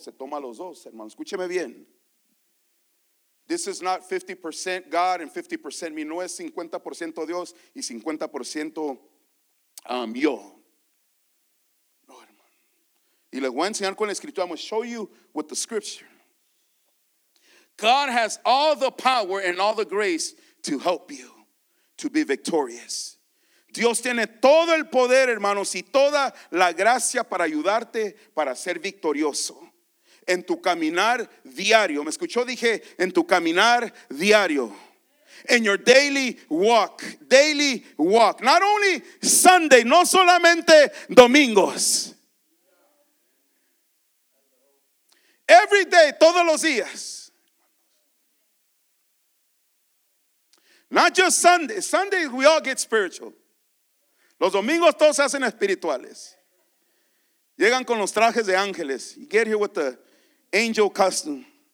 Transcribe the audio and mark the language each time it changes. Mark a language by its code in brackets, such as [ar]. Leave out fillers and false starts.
[es] Se toma los dos, hermano. Escúcheme bien. [en] This is not 50% God and 50% me. [es] No es 50% Dios y 50% yo. No, hermano. Y les voy a enseñar con la escritura. [en] I'm going to show you with the scripture. God has all the power and all the grace to help you to be victorious. [es] Dios tiene todo el poder, hermanos, y toda la gracia para ayudarte para ser victorioso. En tu caminar diario. ¿Me escuchó? Dije, en tu caminar diario. [en] In your daily walk. Daily walk. Not only Sunday, [es] no solamente domingos. [en] Every day, [es] todos los días. [en] Not just Sunday. Sunday, we all get spiritual. [es] Los domingos todos se hacen espirituales. Llegan con los trajes de ángeles. [en] You get here with the angel costumes.